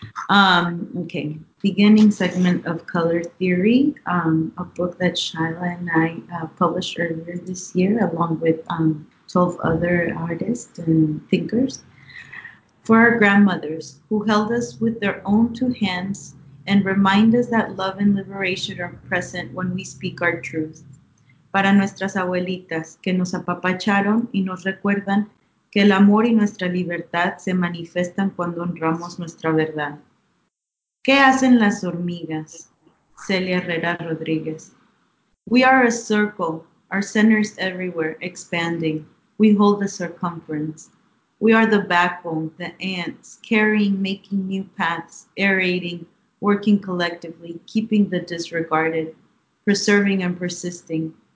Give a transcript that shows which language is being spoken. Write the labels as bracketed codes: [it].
[en] Okay. Beginning segment of Color Theory, a book that Shyla and I published earlier this year, along with 12 other artists and thinkers. For our grandmothers, who held us with their own two hands and remind us that love and liberation are present when we speak our truth. [es] Para nuestras abuelitas, que nos apapacharon y nos recuerdan que el amor y nuestra libertad se manifiestan cuando honramos nuestra verdad. ¿Qué hacen las hormigas? Celia Herrera Rodriguez. [en] We are a circle, our centers everywhere, expanding. We hold the circumference. We are the backbone, the ants, carrying, making new paths, aerating, working collectively, keeping the disregarded, preserving and persisting.